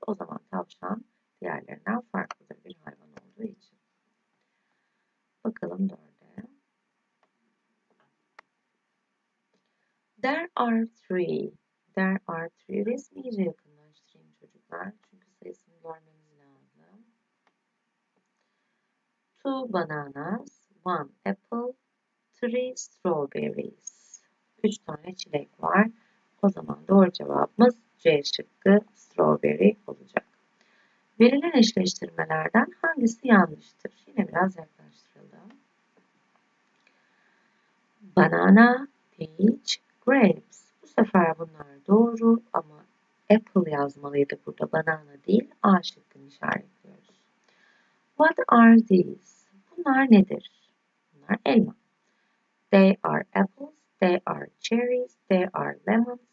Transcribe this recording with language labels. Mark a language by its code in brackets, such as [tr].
[tr] O zaman tavşan diğerlerinden farklıdır bir hayvan olduğu için. Bakalım dörde. [en] There are three. There are three. [tr] Resmi iyice yakınlaştırayım çocuklar. Çünkü sayısını görmemiz lazım. [en] Two bananas, one apple, three strawberries. [tr] Üç tane çilek var. O zaman doğru cevabımız C şıkkı, strawberry olacak. Verilen eşleştirmelerden hangisi yanlıştır? Yine biraz yaklaştıralım. [en] Banana, peach, grapes. [tr] Bu sefer bunlar doğru ama apple yazmalıydı burada. Banana değil, A şıkkını işaretliyoruz. [en] What are these? [tr] Bunlar nedir? Bunlar elma. [en] They are apples, they are cherries, they are lemons.